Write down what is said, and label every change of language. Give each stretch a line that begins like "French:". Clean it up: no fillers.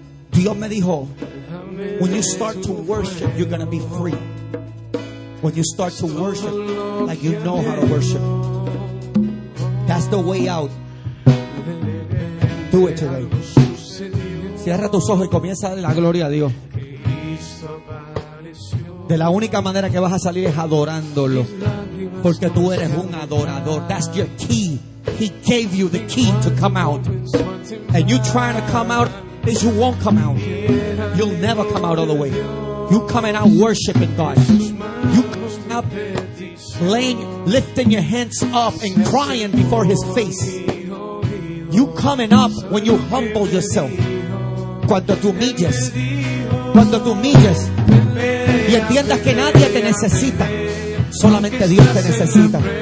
Spanish: Dios me dijo:
English: When you start to worship, you're going to be free. When you start to worship, like you know how to worship, that's the way out. Do it today.
Spanish: Cierra tus ojos y comienza a dar la gloria a Dios. De la única manera que vas a salir es adorándolo, porque tú eres un adorador.
English: That's your key. He gave you the key to come out. And you trying to come out, is you won't come out. You'll never come out of the way. You coming out worshiping God. You coming out lifting your hands up and crying before His face. You coming up when you humble yourself.
Spanish: Cuando tú humillas y entiendas que nadie te necesita, solamente Dios te necesita.